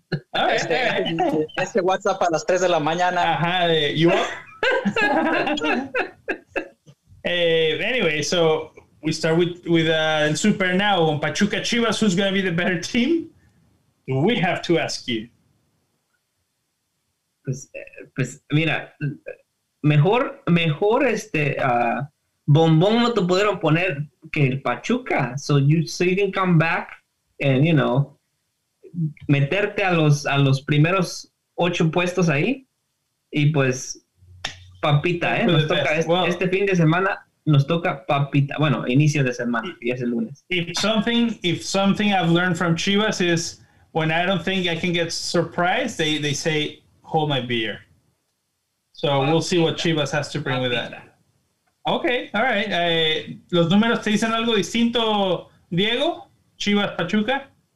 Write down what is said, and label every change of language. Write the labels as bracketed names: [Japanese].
[Spanish] Ese WhatsApp a las 3 de la mañana. [English] Ajá, you are? Anyway, so we start with Super now. Pachuca Chivas, who's going to be the better team? We have to ask you. [Spanish] Pues mira, mejor bombón no te pudieron poner que el Pachuca. [English] So you can come back and, [Spanish] meterte a los primeros 8 puestos ahí. Y pues, papita, nos toca este fin de semana, nos toca papita. Bueno, inicio de semana, ya es el lunes. [English] If something I've learned from Chivas is when I don't think I can get surprised, they say, hold my beer. So we'll see what Chivas has to bring with that. Okay, all right. [Spanish] ¿Los números te dicen algo distinto, Diego? Chivas, Pachuca?